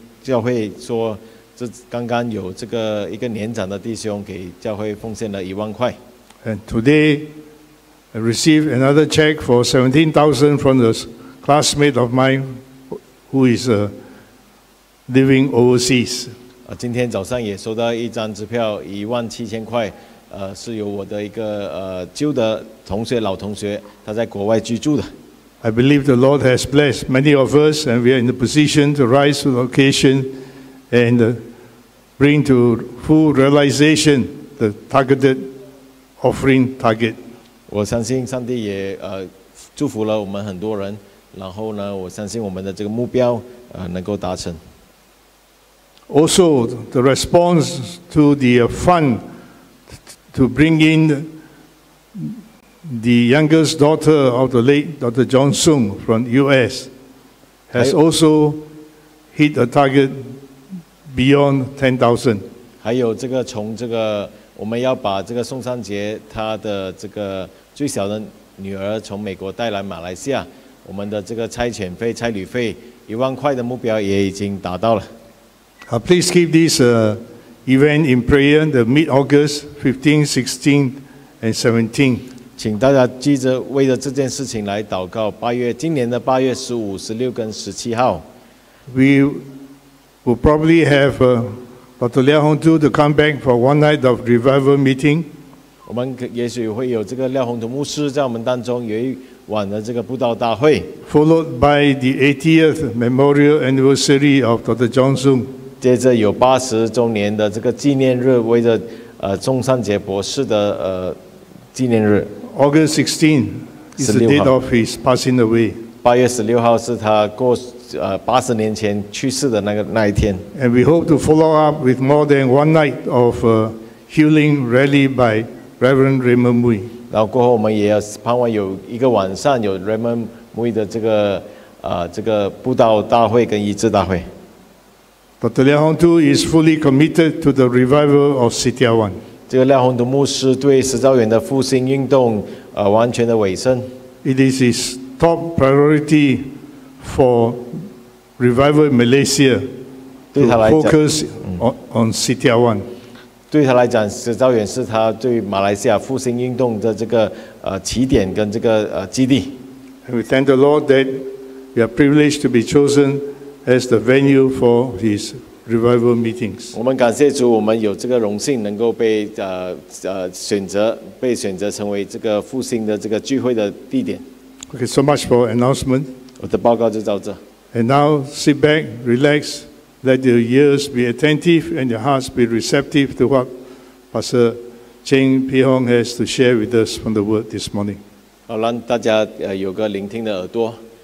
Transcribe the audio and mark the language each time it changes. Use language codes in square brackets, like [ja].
[zh] 教会说，这刚刚有这个一个年长的弟兄给教会奉献了10,000块。 [en] And today, I received another check for 17,000 from the classmate of mine, who is living overseas. [zh] 今天早上也收到一张支票17,000块，是由我的一个旧的同学老同学，他在国外居住的。 [en] I believe the Lord has blessed many of us, and we are in the position to rise to the occasion and bring to full realization the targeted offering target. [zh] 我相信上帝也祝福了我们很多人，然后呢，我相信我们的这个目标能够达成。 [en] Also, the response to the fund to bring in the youngest daughter of the late Dr. John Sung from U.S. has also hit a target beyond 10,000. [zh] 还有这个从这个我们要把这个宋尚杰他的这个最小的女儿从美国带来马来西亚，我们的这个差遣费、差旅费10,000块的目标也已经达到了。 [en] Please keep this event in prayer. The mid-August, 15, 16, and 17. [zh] 请大家记着为了这件事情来祷告今年的8月15、16跟17号。 [en] We will probably have Dr. Liao Hong Tu to come back for one night of revival meeting. [zh] 我们也许会有这个廖宏图牧师在我们当中有一晚的这个布道大会。 [en] Followed by the 80th memorial anniversary of Dr. John Sung. [zh] 接着有80周年的这个纪念日为了宋尚杰博士的纪念日。 [en] August 16 is the date of his passing away. [zh] 八月十六号是他过80年前去世的那一天。 [en] And we hope to follow up with more than one night of healing rally by Reverend Raymond Mui. [zh] 然后过后我们也要盼望有一个晚上有 Raymond Mui 的这个布道大会跟医治大会。 [en] Dr. Liao Hong Tu is fully committed to the revival of Sitia Wan. [zh] 这个廖宏图牧师对石兆远的复兴运动，完全的委身。 [en] It is his top priority for revival Malaysia to focus on Sitia Wan. [zh] 对他来讲，石兆远是他对马来西亚复兴运动的这个起点跟这个基地。 [en] We thank the Lord that we are privileged to be chosen as the venue for his. Revival meetings. [zh] 我们感谢主，我们有这个荣幸能够被选择成为这个复兴的这个聚会的地点。 [en] Okay, so much for announcement. [zh] 我的报告就到这。 [en] And now sit back, relax, let your ears be attentive and your hearts be receptive to what Pastor Cheng Pi Hong has to share with us from the Word this morning. [zh] 好，让大家有个聆听的耳朵。